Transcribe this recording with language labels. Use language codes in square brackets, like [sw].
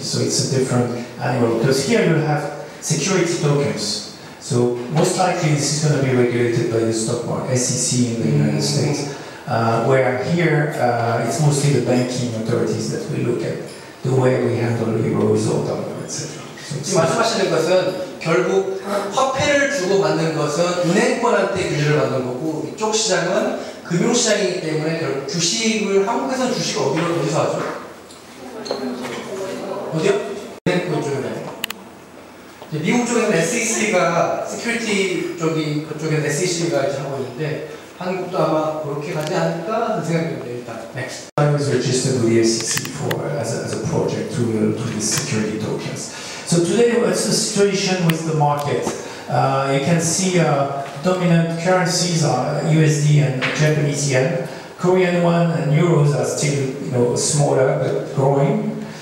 [en] So it's a different animal. Because here you have security tokens. So most likely this is going to be regulated by the stock market, SEC in the United States. Where here it's mostly the banking authorities that we look at. The way we handle euros or dollar, etc. [ko] So 지금 말씀하시는 것은 결국 화폐를 주고 받는 것은 은행권한테 규제를 받는 거고 이쪽 시장은 금융시장이기 때문에 결국 주식을 한국에서 주식 어디서 하죠? 어디요? 은행권 쪽에 미국 쪽에는 SEC가 시큐리티 쪽이 그쪽에 SEC가 이제 하고 있는데 한국도 아마 그렇게 가지 않을까 하는 생각이 듭니다. 일단 next. [en] I was registered with the SEC as a project to the security tokens. So today, what's the situation with the market? You can see dominant currencies are USD and Japanese yen. Korean won and euros are still smaller but growing.